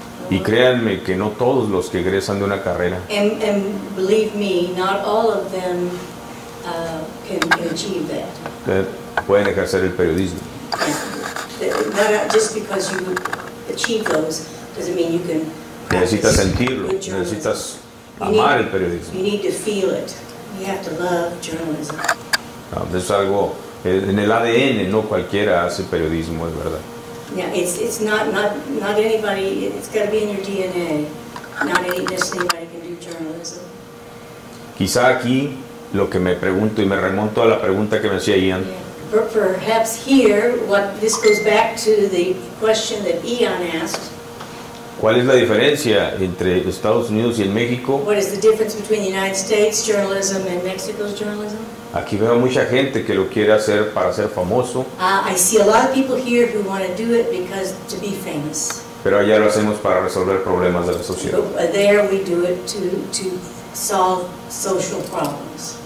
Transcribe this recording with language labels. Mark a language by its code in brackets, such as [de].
[es] Y créanme que no todos los que egresan de una carrera. [en] And believe me, not all of them can achieve that. [es] Pueden ejercer el periodismo. [en] Not just because you achieve those doesn't mean you can. [es] Necesitas sentirlo. Necesitas amar el periodismo. [en] You need to feel it. You have to love journalism. [es] No, eso es algo en el ADN, no cualquiera hace periodismo, es verdad. [en] Yeah, it's not anybody. It's got to be in your DNA. Not just anybody can do journalism. [es] Quizá aquí lo que me pregunto y me remonto a la pregunta que me hacía Ian. [en] Yeah. Perhaps here, what this goes back to the question that Ian asked. [es] ¿Cuál es la diferencia entre Estados Unidos y en México? [en] What is the difference between the United States journalism and Mexico's journalism? [es] Aquí veo mucha gente que lo quiere hacer para ser famoso. [en] I see a lot of people here who want to do it because to be famous. [es] Pero allá lo hacemos para resolver problemas de la sociedad. [en] But there we do it to solve social problems.